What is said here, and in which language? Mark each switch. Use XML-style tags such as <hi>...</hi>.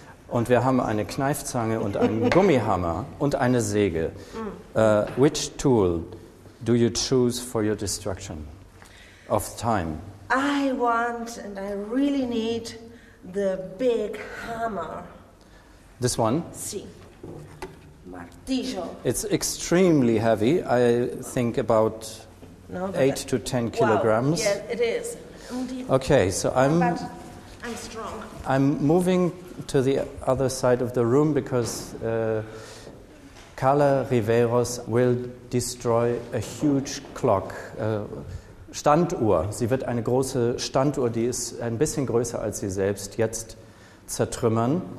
<de>Und wir haben eine Kneifzange und einen Gummihammer und eine Säge.</de> <en>Which tool do you choose for your destruction of time? I want and I really need the big hammer. This one?</en> <es>Si. Martillo.</es> <en>It's extremely heavy. I think about 8 to 10 kilograms. Wow. Yeah, it is. Okay, so I'm strong. I'm moving to the other side of the room because Carla Riveros will destroy a huge clock.</en> <de>Standuhr. Sie wird eine große Standuhr, die ist ein bisschen größer als sie selbst, jetzt zertrümmern.</de>